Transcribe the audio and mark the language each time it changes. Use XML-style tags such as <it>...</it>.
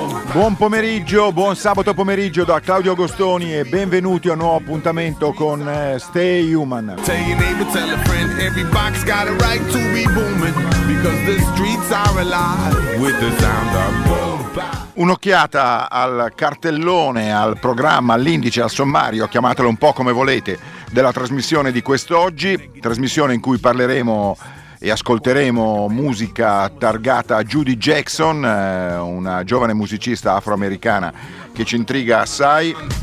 <it>Buon pomeriggio, buon sabato pomeriggio da Claudio Agostoni e benvenuti a un nuovo appuntamento con Stay Human.</it> <en>Tell your neighbor, tell a friend, every box got a right to be booming, because the streets are alive with the sound of Bomba.</en> <it>Un'occhiata al cartellone, al programma, all'indice, al sommario, chiamatelo un po' come volete, della trasmissione di quest'oggi, trasmissione in cui parleremo e ascolteremo musica targata a Judy Jackson, una giovane musicista afroamericana che ci intriga assai.</it>